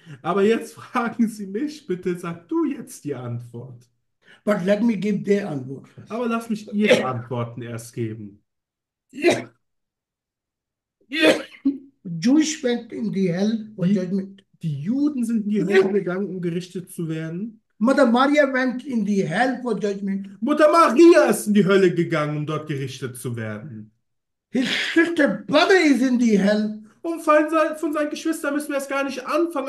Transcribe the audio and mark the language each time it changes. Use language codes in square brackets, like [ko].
[de] Aber jetzt fragen Sie mich, bitte sag du jetzt die Antwort. [en] But let me give their answer [de] Aber lass mich Ihre [en] first. [de] Antworten erst geben. [en] Jewish went in the hell for [de] Die [en] judgment. [de] Juden sind in die Hölle gegangen, um gerichtet zu werden. [en] Mother Maria went in the hell for judgment. [de] Mutter Maria ist in die Hölle gegangen, um dort gerichtet zu werden. [en] His sister brother is in the hell. [de] Und von seinen Geschwistern müssen wir erst gar nicht anfangen.